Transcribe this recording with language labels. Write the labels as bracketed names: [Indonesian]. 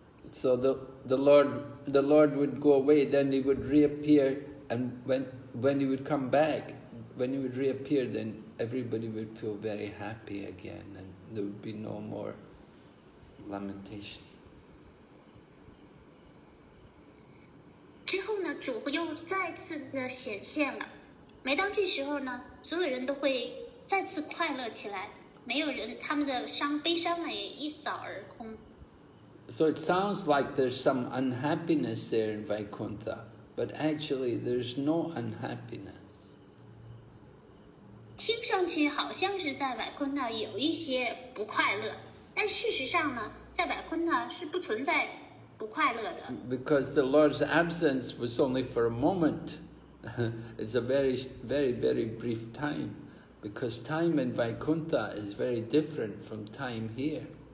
[English] So the Lord would go away, then he would reappear, and when he would come back, when he would reappear, then everybody would feel very happy again, and there would be no more lamentation. [Chinese] 之后呢，主又再次的显现了。每当这时候呢，所有人都会再次快乐起来，没有人，他们的悲伤呢也一扫而空。 [English] So it sounds like there's some unhappiness there in Vaikuntha, but actually there's no unhappiness. [Chinese] 听上去好像是在瓦昆那有一些不快乐，但事实上呢，在瓦昆那是不存在不快乐的。 [English] Because the Lord's absence was only for a moment. It's a very, very, very brief time, because time in Vaikuntha is very different from time here.